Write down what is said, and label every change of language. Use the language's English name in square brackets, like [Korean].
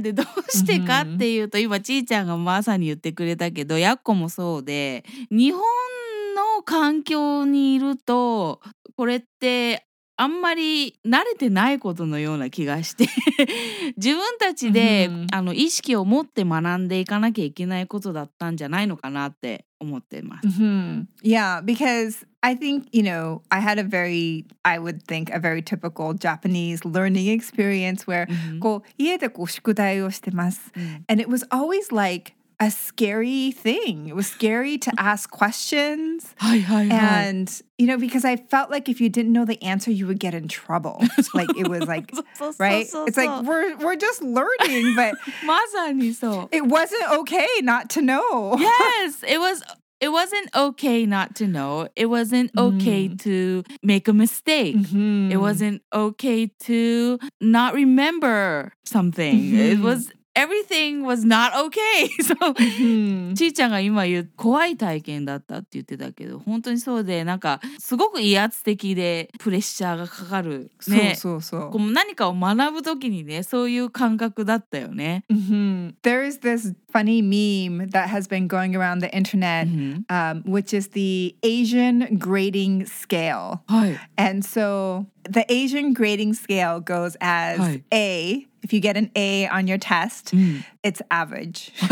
[Japanese] で、どうしてかっていうと、今ちーちゃんがまさに言ってくれたけど、やっこもそうで、日本の環境にいるとこれってあんまり慣れてないことのような気がして自分たちで、mm-hmm. 意識を持って学んでいかなきゃいけないことだったんじゃないのかなって思ってます、 mm-hmm. [English] Yeah, because I think, you know, I had a very, I would think, a very typical Japanese learning experience where、mm-hmm. [Japanese] こう家でこう宿題をしてます、mm-hmm. [English] and it was always like a scary thing. It was scary to ask questions. And, you know, because I felt like if you didn't know the answer, you would get in trouble. Like, it was like, right? It's like, we're just learning, but it wasn't okay not to know. Yes, it wasn't okay not to know. It wasn't okay to make a mistake. It wasn't okay to not remember something. It was... Everything was not okay. [Japanese] So, ちーちゃんが今言う怖い体験だったって言ってたけど、本当にそうで、なんかすごく威圧的でプレッシャーがかかる、ね、そうそうそう。こう何かを学ぶときにね、そういう感覚だったよね。 [English] There is this funny meme that has been going around the internet, which is the Asian grading scale. And so the Asian grading scale goes as A. If you get an A on your test, it's average.